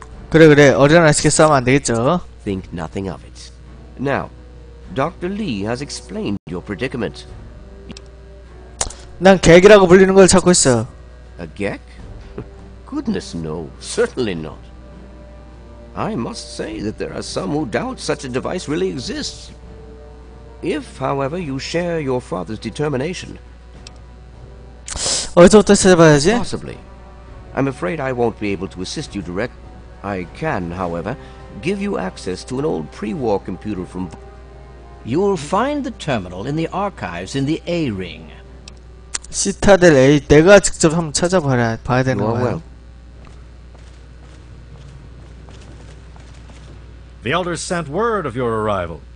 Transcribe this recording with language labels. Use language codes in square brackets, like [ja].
[ko] 그래 어려운 아이스케 싸우면 안 되겠죠. [en] Think nothing of it. Now, Dr. Lee has explained your predicament. [ko] 난 객이라고 불리는 걸 찾고 있어. [en] A geck? Goodness no, certainly not. I must say that there are some who doubt such a device really exists. If, however, you share your father's determination... [ko] 어디서부터 찾아봐야지? [en] Possibly. I'm afraid I won't be able to assist you direct. I can, however, give you access to an old pre-war computer from... You'll find the terminal in the archives in the A-ring. [ko] 시타델 A, 내가 직접 한번 찾아봐야 봐야 되는 거야. [en] Well. The elders sent word of your arrival.